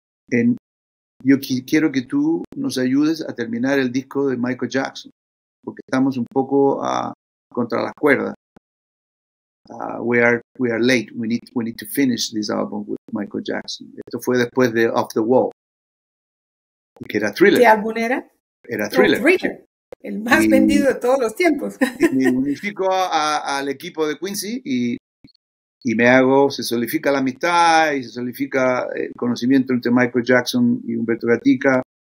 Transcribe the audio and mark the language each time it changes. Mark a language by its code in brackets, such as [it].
[es] And yo quiero que tú nos ayudes a terminar el disco de Michael Jackson, porque estamos un poco contra las cuerdas. [en] We are late. We need to finish this album with Michael Jackson. [es] Esto fue después de Off the Wall, que era Thriller. ¿Qué álbum era? Era Thriller. El más vendido de todos los tiempos. Me unifico al equipo de Quincy y me hago, se solidifica la amistad y se solidifica el conocimiento entre Michael Jackson y Humberto Gatica.